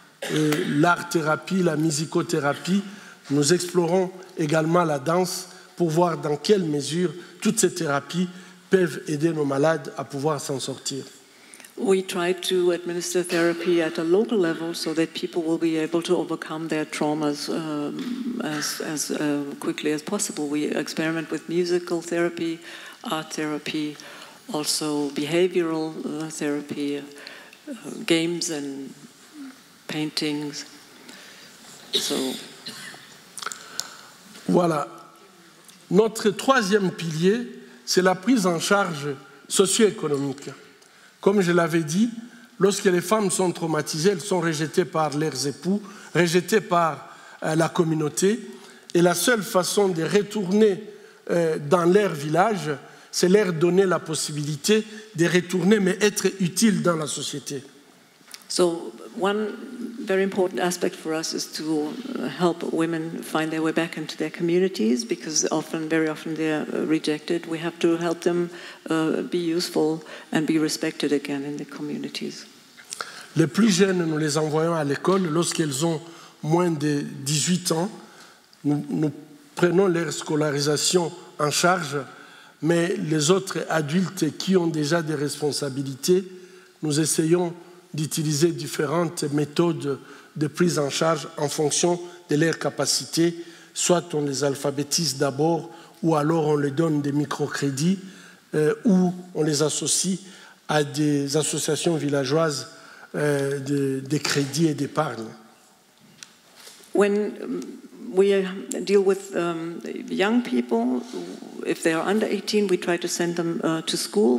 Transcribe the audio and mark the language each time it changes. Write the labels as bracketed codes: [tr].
[fr] Et l'art thérapie, la musicothérapie, nous explorons également la danse pour voir dans quelle mesure toutes ces thérapies peuvent aider nos malades à pouvoir s'en sortir. [en] We try to administer therapy at a local level so that people will be able to overcome their traumas as quickly as possible. We experiment with musical therapy, art therapy, also behavioral therapy, games and paintings. So, [fr] voilà. Notre troisième pilier, c'est la prise en charge socio-économique. Comme je l'avais dit, lorsque les femmes sont traumatisées, elles sont rejetées par leurs époux, rejetées par la communauté. Et la seule façon de retourner dans leur village, c'est leur donner la possibilité de retourner, mais être utile dans la société. [en] So, one very important aspect for us is to help women find their way back into their communities because often, very often, they're rejected. We have to help them be useful and be respected again in the communities. [fr] Les plus jeunes, nous les envoyons à l'école lorsqu'elles ont moins de 18 ans. Nous prenons leur scolarisation en charge, mais les autres adultes qui ont déjà des responsabilités, nous essayons d'utiliser différentes méthodes de prise en charge en fonction de leurs capacités. Soit on les alphabétise d'abord, ou alors on les donne des microcrédits, ou on les associe à des associations villageoises de crédit et d'épargne. [en] When we deal with young people, if they are under 18, we try to send them to school.